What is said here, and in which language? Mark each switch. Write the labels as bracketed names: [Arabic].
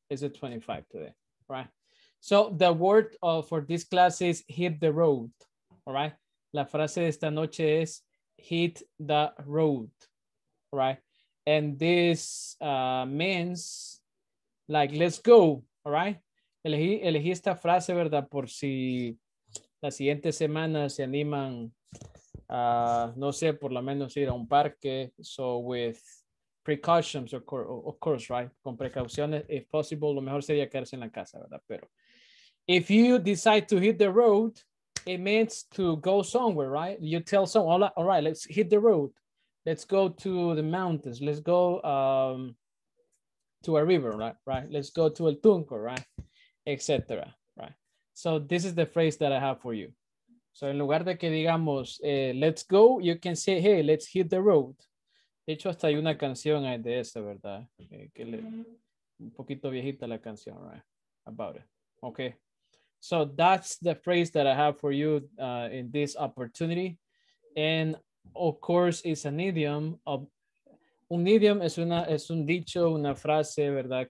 [English] It's the 25 today, right? So the word for this class is hit the road, all right? [Spanish] La frase de esta noche es [English] hit the road, right? And this means like, let's go, all right? [Spanish] Elegí esta frase, ¿verdad? Por si la siguiente semana se animan, no sé, por lo menos ir a un parque. [English] So with precautions, of course, right? [Spanish] Con precauciones, [English] if possible, [Spanish] lo mejor sería quedarse en la casa, ¿verdad? [English] Pero if you decide to hit the road, it means to go somewhere, right? You tell someone, all right, let's hit the road. Let's go to the mountains. Let's go to a river, right? Right. Let's go to El Tunco, right? Etc. Right. So this is the phrase that I have for you. So [Spanish] en lugar de que digamos [English] let's go, you can say hey, let's hit the road. [Spanish] De hecho, hasta hay una canción de esa, ¿verdad? Un poquito viejita la canción, [English] right? About it. Okay. So that's the phrase that I have for you in this opportunity, and of course, it's an idiom. [Spanish] Un idiom es un dicho, una frase, ¿verdad?